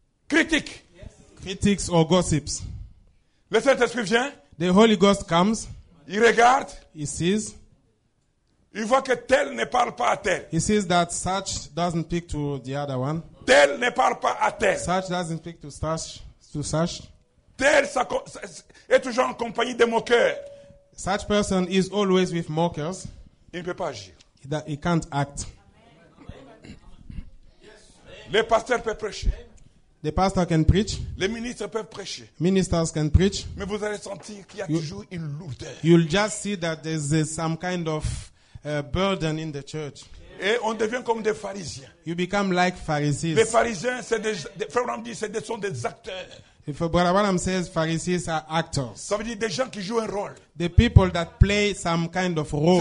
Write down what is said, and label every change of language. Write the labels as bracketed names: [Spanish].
[French] Critique. [English] Critics or gossips. [French] Le Saint-Esprit vient. [English] The Holy Ghost comes. [French] Il regarde. [English] He sees. [French] Il voit que tel ne parle pas à tel. [English] He sees that such doesn't speak to the other one. [French] Tel ne parle pas à tel. [English] Such doesn't speak to such. To such. [French] Tel est toujours en compagnie de moqueurs. [English] Such person is always with mockers. [French] Il ne peut pas agir. [English] He can't act. [French] Le pasteur peut prêcher. [English] The pastor can preach. [French] Les ministres peuvent prêcher. [English] Ministers can preach. [French] Mais vous allez sentir qu'il y a toujours une lourdeur. [English] You'll just see that there's some kind of burden in the church. [French] Et on devient comme des pharisiens. [English] You become like Pharisees. [French] Les pharisiens, c'est des Frère Branham dit, ce sont des acteurs. [English] If Brother Branham says Pharisees are actors. [French] Ça veut dire des gens qui jouent un rôle. [English] The people that play some kind of role.